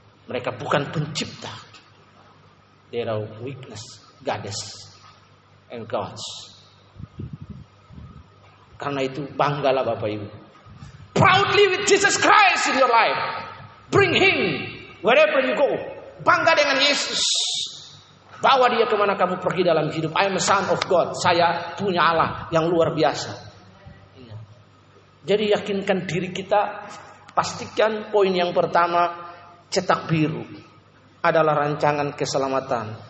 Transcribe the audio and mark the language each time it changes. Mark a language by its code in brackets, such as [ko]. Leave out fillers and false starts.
[id] Mereka bukan pencipta. [en] They are weakness, goddess, and gods. [id] Karena itu banggalah Bapak Ibu. [en] Proudly with Jesus Christ in your life. Bring Him wherever you go. [id] Bangga dengan Yesus. Bawa dia kemana kamu pergi dalam hidup. [en] I am a son of God. [id] Saya punya Allah yang luar biasa. Jadi yakinkan diri kita. Pastikan poin yang pertama, cetak biru, adalah rancangan keselamatan.